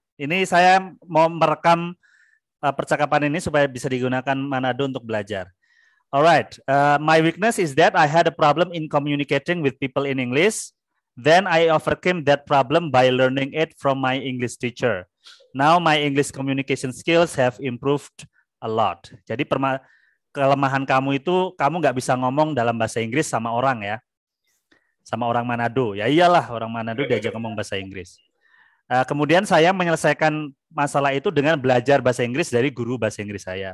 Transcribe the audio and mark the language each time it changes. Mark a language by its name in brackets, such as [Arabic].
[Indonesian] Ini saya mau merekam percakapan ini supaya bisa digunakan Manado untuk belajar. [English] Alright. My weakness is that I had a problem in communicating with people in English. Then I overcame that problem by learning it from my English teacher. Now my English communication skills have improved a lot. [Indonesian] Jadi kelemahan kamu itu kamu nggak bisa ngomong dalam bahasa Inggris sama orang ya, sama orang Manado. Ya iyalah orang Manado diajak ngomong bahasa Inggris. Kemudian saya menyelesaikan masalah itu dengan belajar bahasa Inggris dari guru bahasa Inggris saya.